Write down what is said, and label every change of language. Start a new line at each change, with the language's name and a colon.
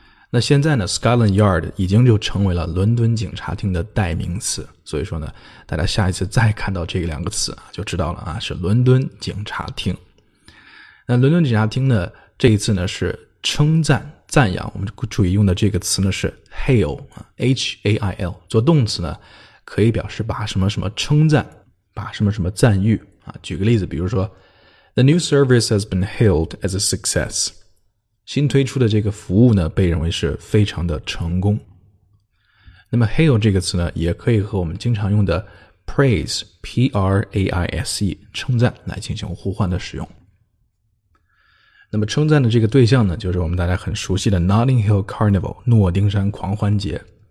Chinese: 那现在呢 Scotland Yard 已经就成为了伦敦警察厅的代名词，所以说呢大家下一次再看到这两个词啊，就知道了啊是伦敦警察厅。那伦敦警察厅呢这一次呢是称赞赞扬，我们注意用的这个词呢是 hail, H-A-I-L, 做动词呢可以表示把什么什么称赞，把什么什么赞誉啊。
English: 举个例子，比如说 The new service has been hailed as a success.
Chinese: 新推出的这个服务呢被认为是非常的成功。那么 hail 这个词呢也可以和我们经常用的 praise, P-R-A-I-S-E, 称赞来进行互换的使用。那么称赞的这个对象呢就是我们大家很熟悉的 Notting Hill Carnival, 诺丁山狂欢节。